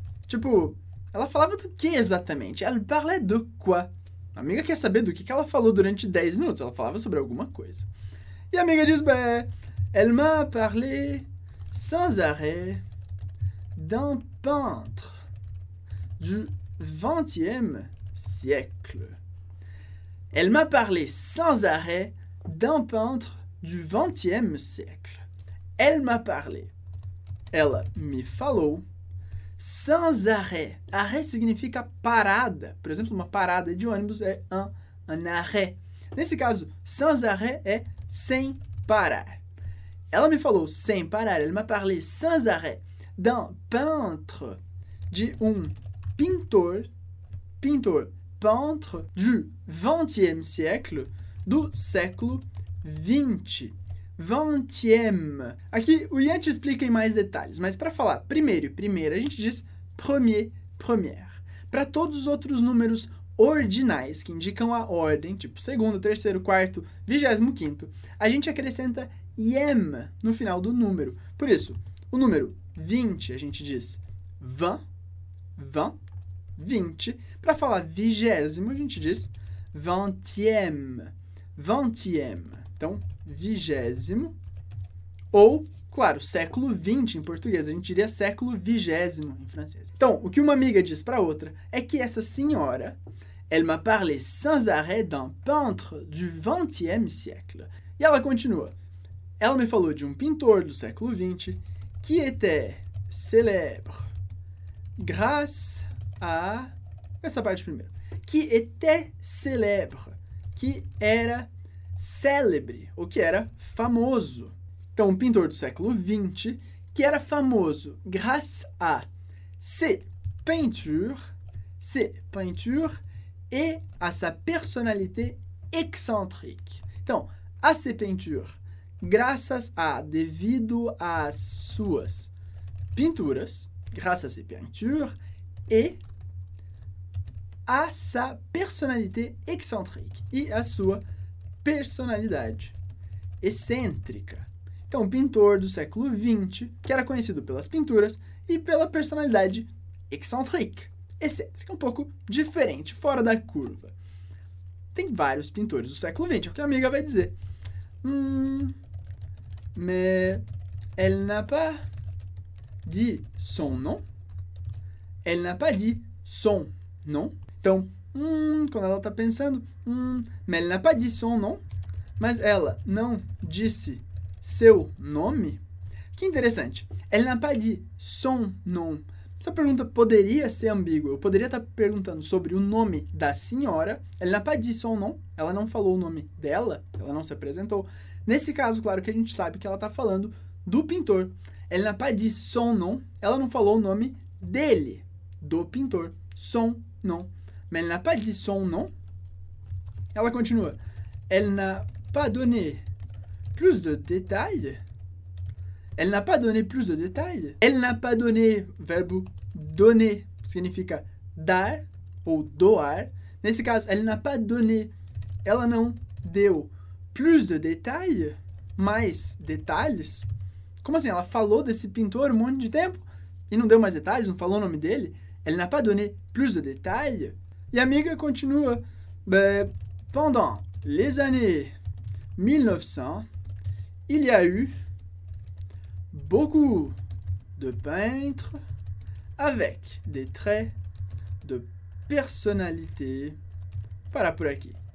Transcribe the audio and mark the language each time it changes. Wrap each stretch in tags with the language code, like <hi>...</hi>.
<pt>Tipo, ela falava do quê exatamente?</pt> <fr>Elle parlait de quoi?</fr> <pt>A amiga quer saber do que ela falou durante 10 minutos. Ela falava sobre alguma coisa. E a amiga diz,</pt> <fr>ben, elle m'a parlé sans arrêt d'un peintre du 20e siècle. Elle m'a parlé sans arrêt d'un peintre du 20e siècle. Elle m'a parlé.</fr> <pt>Ela me falou.</pt> <fr>Sans arrêt.</fr> <pt>Arrêt significa parada. Por exemplo, uma parada de ônibus é un arrêt. Nesse caso, sans arrêt é sem parar. Ela me falou sem parar.</pt> <fr>Elle m'a parlé sans arrêt d'un peintre,</fr> <pt>de um pintor,</pt> <fr>peintre du 20e siècle,</fr> <pt>do século 20.</pt> <fr>20e.</fr> <pt>Aqui o Ian te explica em mais detalhes, mas para falar primeiro e primeira, a gente diz premier, première. Para todos os outros números ordinais que indicam a ordem, tipo segundo, terceiro, quarto, 25º, a gente acrescenta iem no final do número. Por isso, o número 20, a gente diz 20. Para falar vigésimo, a gente diz 20e. Então, 20º. Ou, claro, século 20 em português. A gente diria século 20 em francês. Então, o que uma amiga diz para outra é que essa senhora,</pt> <fr>elle m'a parlé sans arrêt d'un peintre du 20e siècle.</fr> <pt>E ela continua. Ela me falou de um pintor do século 20 que</pt> <fr>était célèbre grâce à...</fr> <pt>Essa parte primeiro.</pt> <fr>Qui était célèbre.</fr> <pt>Que era célebre. Ou que era famoso. Então, um pintor do século 20 que era famoso</pt> <fr>grâce à ses peintures et à sa personnalité excentrique.</fr> <pt>Então,</pt> <fr>à ses peintures,</fr> <pt>graças a, devido às suas pinturas, graças à peinture, e</pt> <fr>à sa personnalité excentrique,</fr> <pt>e à sua personalidade excêntrica. Então, pintor do século 20, que era conhecido pelas pinturas e pela personalidade excentrique, excêntrica, um pouco diferente, fora da curva. Tem vários pintores do século 20, é o que a amiga vai dizer.</pt> <fr>Mais elle n'a pas dit son nom. Elle n'a pas dit son nom.</fr> <pt>Então, quando ela está pensando,</pt> <fr>mais elle n'a pas dit son nom.</fr> <pt>Mas ela não disse seu nome. Que interessante.</pt> <fr>Elle n'a pas dit son nom.</fr> <pt>Essa pergunta poderia ser ambígua. Eu poderia estar perguntando sobre o nome da senhora.</pt> <fr>Elle n'a pas dit son nom.</fr> <pt>Ela não falou o nome dela. Ela não se apresentou. Nesse caso, claro que a gente sabe que ela está falando do pintor.</pt> <fr>Elle n'a pas dit son nom.</fr> <pt>Ela não falou o nome dele, do pintor.</pt> <fr>Son nom. Mais elle n'a pas dit son nom.</fr> <pt>Ela continua.</pt> <fr>Elle n'a pas donné plus de détails. Elle n'a pas donné plus de détails. Elle n'a pas donné, verbo donner,</fr> <pt>significa dar ou doar. Nesse caso,</pt> <fr>elle n'a pas donné,</fr> <pt>ela não deu</pt> <fr>plus de détails,</fr> <pt>mais detalhes. Como assim? Ela falou desse pintor um monte de tempo e não deu mais detalhes, não falou o nome dele?</pt> <fr>Elle n'a pas donné plus de détails.</fr> <pt>E a amiga continua.</pt> <fr>Pendant les années 1900, il y a eu beaucoup de peintre avec des traits de personnalité. Voilà pour qui.</fr>